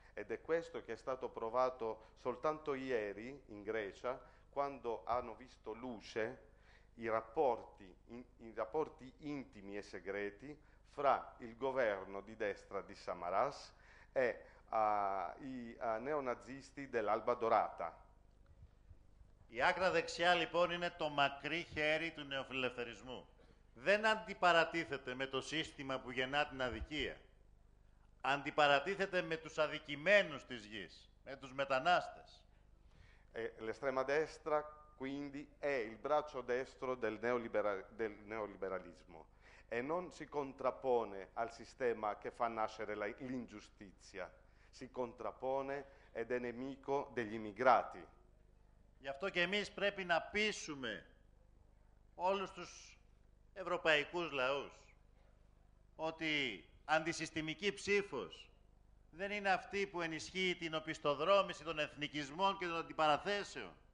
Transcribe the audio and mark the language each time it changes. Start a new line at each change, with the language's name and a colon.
Italian: Ed è questo che è stato provato soltanto ieri in Grecia, quando hanno visto luce i rapporti intimi e segreti fra il governo di destra di Samaras e i neonazisti dell'Alba Dorata.
Greek: Η άκρα δεξιά, λοιπόν, είναι το μακρύ χέρι του νεοφιλελευθερισμού. Δεν αντιπαρατίθεται με το σύστημα που γεννά την αδικία. Αντιπαρατίθεται με τους αδικημένους της γης, με τους μετανάστες.
Italian: L'estrema destra, quindi, è il braccio destro del neoliberalismo. E non si contrappone al sistema che fa nascere l'ingiustizia. Si contrappone ed è nemico degli immigrati.
Greek: Γι' αυτό και εμείς πρέπει να πείσουμε όλους τους ευρωπαϊκούς λαούς ότι αντισυστημική ψήφος δεν είναι αυτή που ενισχύει την οπισθοδρόμηση των εθνικισμών και των αντιπαραθέσεων.